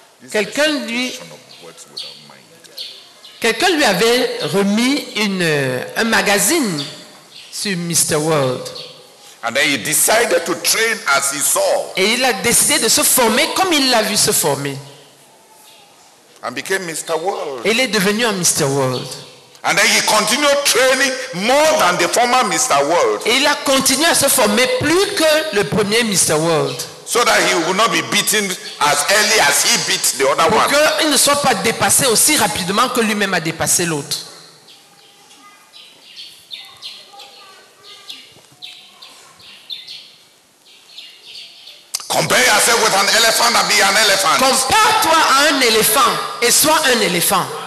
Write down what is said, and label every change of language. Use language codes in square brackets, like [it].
[fr] Quelqu'un lui avait remis un magazine sur Mr. [en] World. And then he decided to train as he saw. [fr] Et il a décidé de se former comme il l'a vu se former. [en] And became Mr. World. [fr] Et il est devenu un Mr. World. [en] And then he continued training more than the former Mr. World. [fr] Et il a continué à se former plus que le premier Mr. World. [en] So that he would not be beaten as early as he beat the other [fr] pour [en] one. [fr] Pour qu'il ne soit pas dépassé aussi rapidement que lui-même a dépassé l'autre. [en] Compare yourself with an elephant and be an elephant. [fr] Compare-toi à un éléphant et sois un éléphant.